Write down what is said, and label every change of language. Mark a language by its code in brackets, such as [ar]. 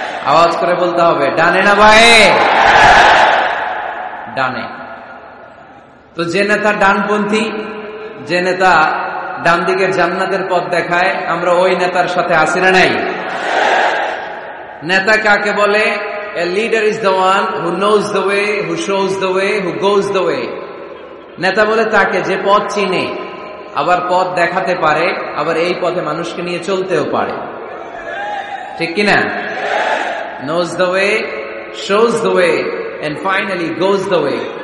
[bn] আওয়াজ করে বলতে হবে, ডানে না বায়ে? ডানে। তো যে নেতা ডানপন্থী, যে নেতা ডান দিকে জান্নাতের পথ দেখায়, আমরা ওই নেতার সাথে আছি না নাই? নেতা কাকে বলে? [en] A leader is the one who knows the way, who shows the way, who goes the way. [bn] নেতা বলে তাকে যে পথ চিনে, আবার পথ দেখাতে পারে, আবার এই পথে মানুষকে নিয়ে চলতেও পারে, ঠিক কিনা? [en] Knows the way, shows the way, and finally goes the way.